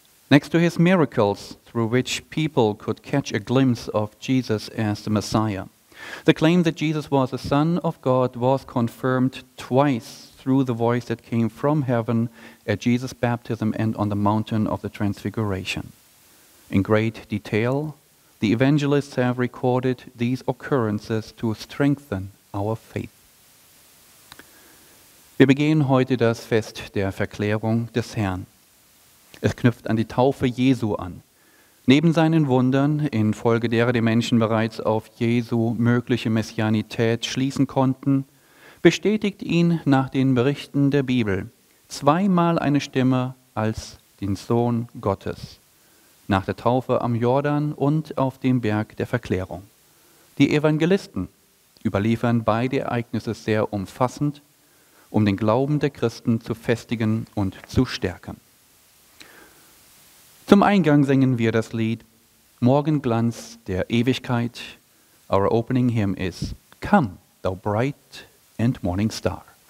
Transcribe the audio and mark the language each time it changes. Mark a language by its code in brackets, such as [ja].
[en] Next to his miracles, through which people could catch a glimpse of Jesus as the Messiah, the claim that Jesus was the Son of God was confirmed twice through the voice that came from heaven at Jesus' baptism and on the mountain of the Transfiguration. In great detail, the evangelists have recorded these occurrences to strengthen our faith. [de] Wir begehen heute das Fest der Verklärung des Herrn. Es knüpft an die Taufe Jesu an. Neben seinen Wundern, infolge derer die Menschen bereits auf Jesu mögliche Messianität schließen konnten, bestätigt ihn nach den Berichten der Bibel zweimal eine Stimme als den Sohn Gottes, nach der Taufe am Jordan und auf dem Berg der Verklärung. Die Evangelisten überliefern beide Ereignisse sehr umfassend, um den Glauben der Christen zu festigen und zu stärken. Zum Eingang singen wir das Lied Morgenglanz der Ewigkeit. [en] Our opening hymn is Come, Thou Bright and Morning Star.